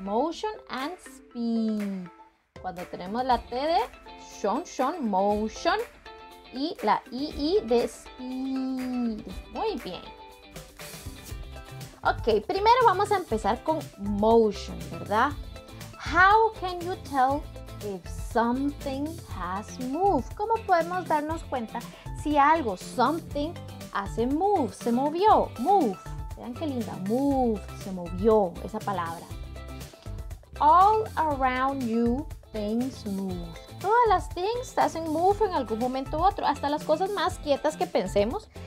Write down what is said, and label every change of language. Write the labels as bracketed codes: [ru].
[en] Motion and Speed. [es] Cuando tenemos la T de Shon, Motion, y la II de Speed. Muy bien. Ok, primero vamos a empezar con Motion, ¿verdad? [en] How can you tell if something has moved? [es] ¿Cómo podemos darnos cuenta si algo, something, hace move, se movió? Move. Vean qué linda. Move, se movió, esa palabra. [en] All around you, things move. [es] Todas las things hacen move en algún momento u otro. Hasta las cosas más quietas que pensemos.